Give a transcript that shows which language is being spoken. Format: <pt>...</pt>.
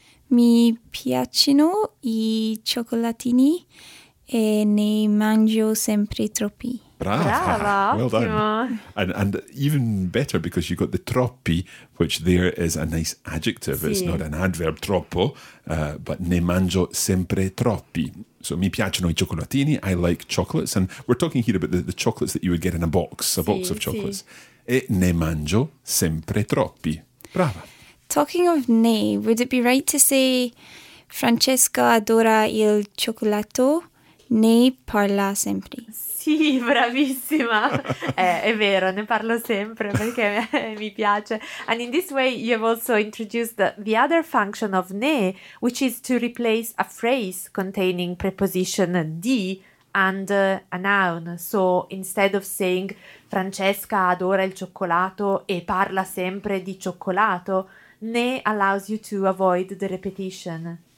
<it>Mi piacciono i cioccolatini e ne mangio sempre troppi.</it> <en>Brava. Well done. And even better because you got the troppi, which there is a nice adjective. Sì. It's not an adverb, troppo, but</en> <it>ne mangio sempre troppi.</it> <en>So</en> <it>mi piacciono I cioccolatini.</it> <en>I like chocolates. And we're talking here about the chocolates that you would get in a box, a box of chocolates.</en> <it>Sì. E ne mangio sempre troppi. Brava.</it> <en>Talking of ne, would it be right to say</en> <it>Francesca adora il cioccolato? Ne parla sempre. Sì, bravissima. È vero, ne parlo sempre perché mi piace.</it> <en>And in this way you have also introduced the other function of ne, which is to replace a phrase containing preposition di and a noun. So instead of saying</en> <it>Francesca adora il cioccolato e parla sempre di cioccolato,</it> <en>ne allows you to avoid the repetition.</en>